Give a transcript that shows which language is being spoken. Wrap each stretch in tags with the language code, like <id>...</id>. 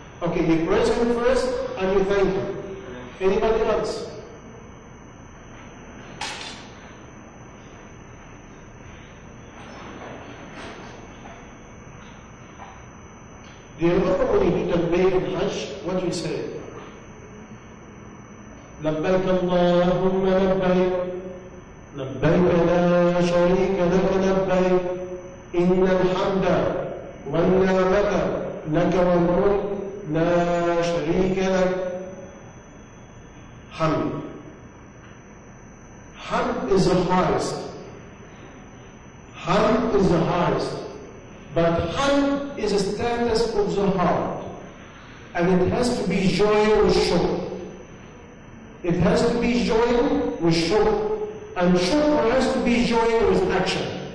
<en>Okay, you praise Him first and you thank Him. Anybody else? Do you remember when you do tabbay and hajj? What do you say?</en> <ar>لبيك اللهم لبيك لبيك لا شريك لك لبيك إن الحمد والنعمة لك والملك لا شريك لك. حمد.</ar> <en>حمد is the highest. حمد is the highest. But حمد is a status of the heart. And it has to be joy or shukr. It has to be joy with shukr. And shukr has to be joy with action.</en>